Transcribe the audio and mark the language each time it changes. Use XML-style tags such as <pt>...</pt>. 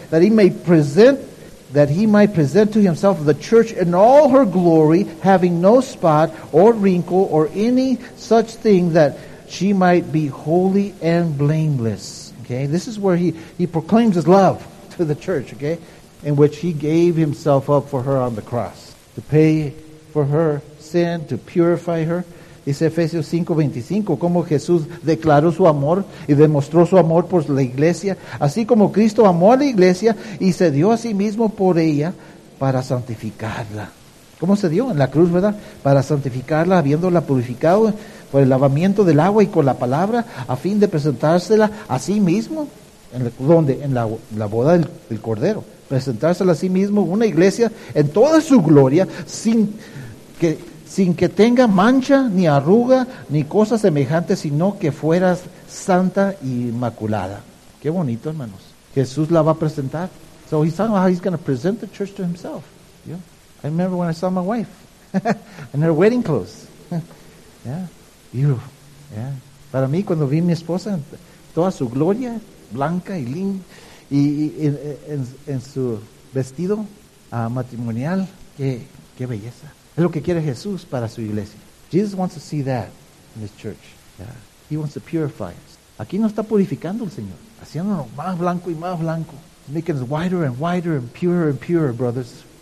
<en>That he might present to himself the church in all her glory, having no spot or wrinkle or any such thing, that she might be holy and blameless. Okay? This is where he proclaims his love to the church, okay? In which he gave himself up for her on the cross to pay for her sin, to purify her.</en> <es>Dice Efesios 5:25, como Jesús declaró su amor y demostró su amor por la iglesia, así como Cristo amó a la iglesia y se dio a sí mismo por ella para santificarla. ¿Cómo se dio? En la cruz, ¿verdad? Para santificarla, habiéndola purificado por el lavamiento del agua y con la palabra, a fin de presentársela a sí mismo. ¿Dónde? En la boda del Cordero. Presentársela a sí mismo, una iglesia en toda su gloria, sin que tenga mancha, ni arruga, ni cosa semejante, sino que fuera santa e inmaculada. Qué bonito, hermanos. Jesús la va a presentar.</es> <en>So he's talking about how he's going to present the church to himself. Yeah. I remember when I saw my wife in her wedding clothes. Yeah. Beautiful. Yeah.</en> <es>Para mí, cuando vi a mi esposa en toda su gloria, blanca y linda, y en su vestido matrimonial, qué belleza. Es lo que quiere Jesús para su iglesia.</es> <en>Jesus wants to see that in his church. Yeah. He wants to purify us.</en> <es>Aquí nos está purificando el Señor, haciéndonos más blanco y más blanco.</es> <en>Making us whiter and whiter and purer, brothers.</en>